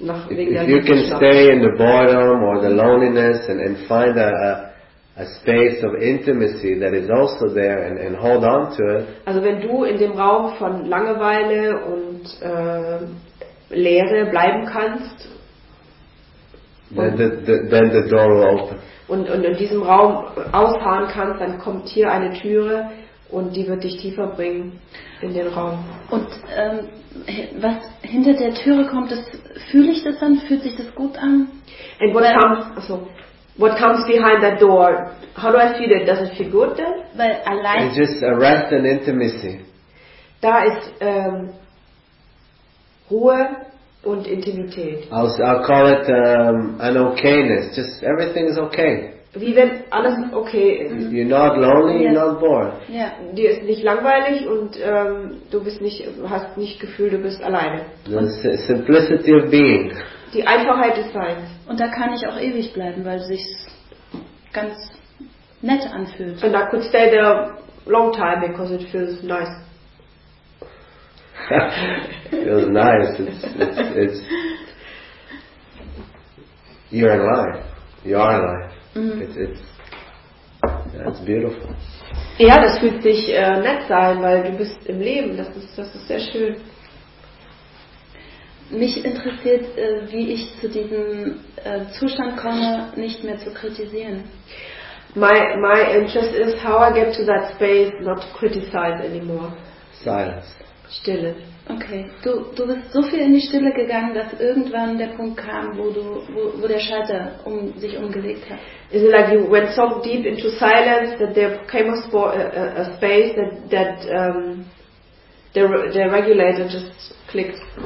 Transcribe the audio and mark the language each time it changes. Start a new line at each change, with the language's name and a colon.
English: If you can stay in the boredom or the loneliness and find a space of intimacy that is also there and hold on to it.
German: Also wenn du in dem Raum von Langeweile und Leere bleiben kannst,
English: then the door will open.
German: Und in diesem Raum ausharren kannst, dann kommt hier eine Türe und die wird dich tiefer bringen in den Raum. Und was hinter der Türe kommt, das fühle ich das dann? Fühlt sich das gut an?
English: And what comes behind that door? How do I feel it? Does it feel good then?
German: Weil allein.
English: It's just a rest and intimacy.
German: Da ist Ruhe und Intimität.
English: I'll call it an okayness. Just everything is okay.
German: Wie wenn alles okay ist.
English: You're not lonely, yes. You're not bored. Yeah.
German: Dir ist nicht langweilig und du bist nicht, hast nicht Gefühl, du bist alleine.
English: The simplicity of being.
German: Die Einfachheit des Seins. Und da kann ich auch ewig bleiben, weil es sich ganz nett anfühlt.
English: And I could stay there a long time because it feels nice. feels nice. It's you're in life. You are in life. Mm-hmm. It's beautiful.
German: Ja, das fühlt sich nett sein, weil du bist im Leben. Das ist sehr schön. Mich interessiert, wie ich zu diesem Zustand komme, nicht mehr zu kritisieren.
English: My interest is how I get to that space, not to criticize anymore. Silence.
German: Stille. Okay. Du bist so viel in die Stille gegangen, dass irgendwann der Punkt kam, wo der Schalter sich umgelegt hat.
English: Is it like you went so deep into silence that there came a space that the regulator just clicked?